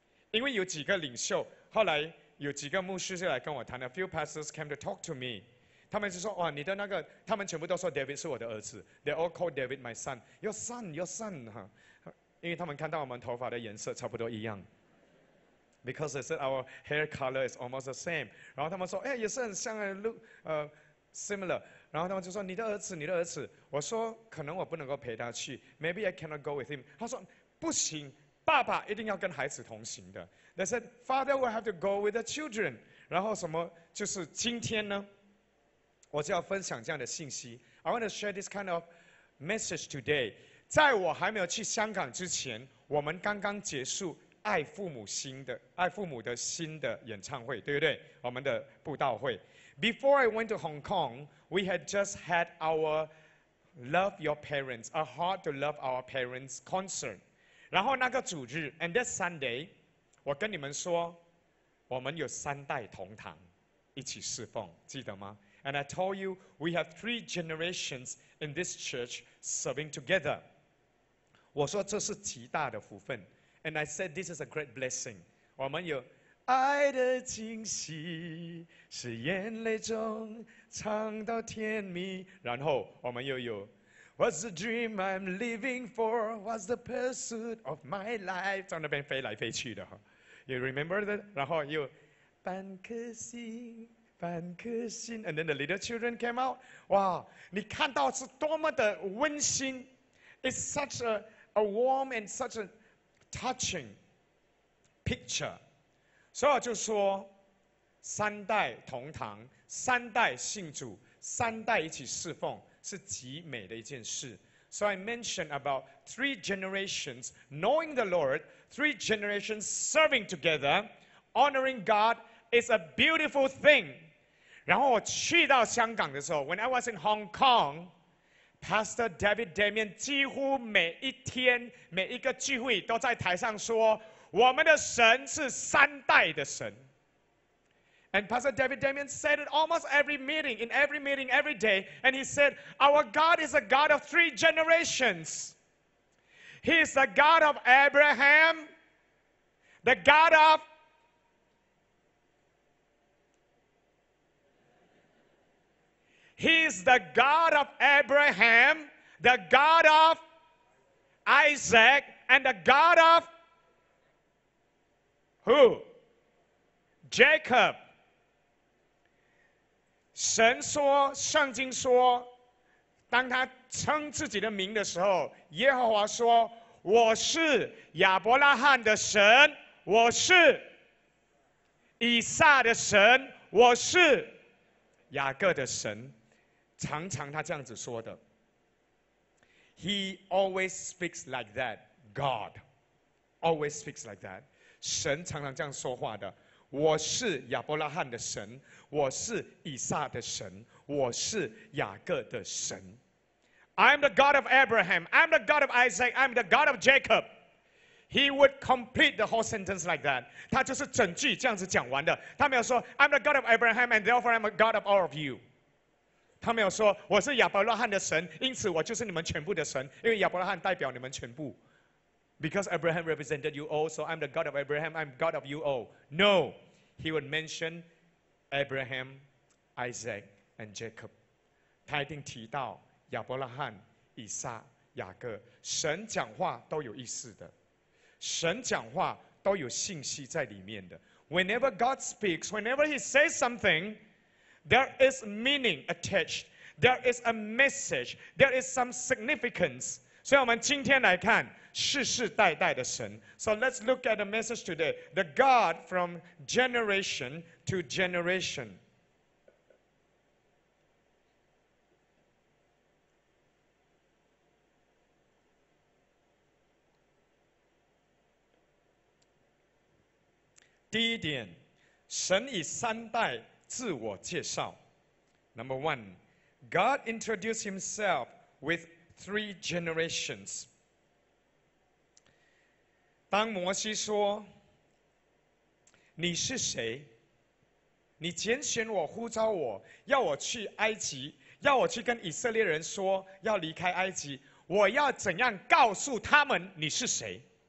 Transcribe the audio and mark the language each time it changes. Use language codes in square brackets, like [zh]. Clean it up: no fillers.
[zh] 因为有几个领袖，后来有几个牧师就来跟我谈 ， [en] a few pastors came to talk to me. [zh] 他们就说，哇，你的那个，他们全部都说 David 是我的儿子 ， [en] they all call David my son. Your son, your son, [zh] 哈，因为他们看到我们头发的颜色差不多一样。 [en] Because they said our hair color is almost the same. [zh] 然后他们说，哎，也是很像 ， [en] look, similar. [zh] 然后他们就说，你的儿子，你的儿子。我说，可能我不能够陪他去 ， [en] maybe I cannot go with him. [zh] 他说，不行，爸爸一定要跟孩子同行的。 [en] They said father will have to go with the children. [zh] 然后什么，就是今天呢，我就要分享这样的信息。 [en] I want to share this kind of message today. [zh] 在我还没有去香港之前，我们刚刚结束。爱父母的心的演唱会，对不对？我们的布道会。 [en] Before I went to Hong Kong, we had just had our Love Your Parents, A Heart to Love Our Parents concert. [zh] 然后那个主日 [en] ，and that Sunday, [zh] 我跟你们说，我们有三代同堂一起侍奉，记得吗 [en] ？And I told you we have three generations in this church serving together. [zh] 我说这是极大的福分。 [en] And I said, this is a great blessing. [zh] 我们有爱的惊喜是眼泪中藏到甜蜜。然后我们又有 [en] What's the dream I'm living for? What's the pursuit of my life? [zh] 在那边飞来飞去的。 [en] You remember that? [zh] 然后又半颗心半颗心 [en] And then the little children came out. [zh] 哇，你看到是多么的温馨。 [en] It's such a warm and such aTouching picture. [zh] 所以我就说三代同堂三代信主三代一起侍奉是极美的一件事 [en] So I mentioned about three generations knowing the Lord, three generations serving together, honoring God is a beautiful thing. [zh] 然后我去到香港的时候 [en] when I was in Hong Kong, [zh] Pastor David Damien 几乎每一天每一个聚会都在台上说我们的神是三代的神。 [en] And Pastor David Damien said it almost every meeting, in every meeting, every day. And he said, our God is a God of three generations. He is the God of Abraham, the God of He is the God of Abraham, the God of Isaac, and the God of who? Jacob. [zh] 神说，圣经说，当他称自己的名的时候，耶和华说：“我是亚伯拉罕的神，我是以撒的神，我是雅各的神。” 常常他这样子说的。 [en] He always speaks like that. God always speaks like that. [zh] 神常常这样说话的。我是亚伯拉罕的神，我是以撒的神，我是雅各的神。 [en] I'm the God of Abraham. I'm the God of Isaac. I'm the God of Jacob. He would complete the whole sentence like that. [zh] 他就是整句这样子讲完的。他没有说 [en] I'm the God of Abraham and therefore I'm the God of all of you. [zh] 他没有说我是亚伯拉罕的神，因此我就是你们全部的神，因为亚伯拉罕代表你们全部。 [en] Because Abraham represented you all, so I'm the God of Abraham, I'm God of you all. No, he would mention Abraham, Isaac, and Jacob. [zh] 他一定提到亚伯拉罕、以撒、雅各。神讲话都有意思的，神讲话都有信息在里面的。 [en] Whenever God speaks, whenever he says something, there is meaning attached. There is a message. There is some significance. [zh] 所以我们今天来看世世代代的神。 [en] So let's look at the message today. The God from generation to generation. [zh] 第一点，神以三代自我介绍。 [en] Number one, God introduced himself with three generations. [zh] 当摩西说你是谁，你拣选我，呼召我，要我去埃及，要我去跟以色列人说要离开埃及，我要怎样告诉他们你是谁？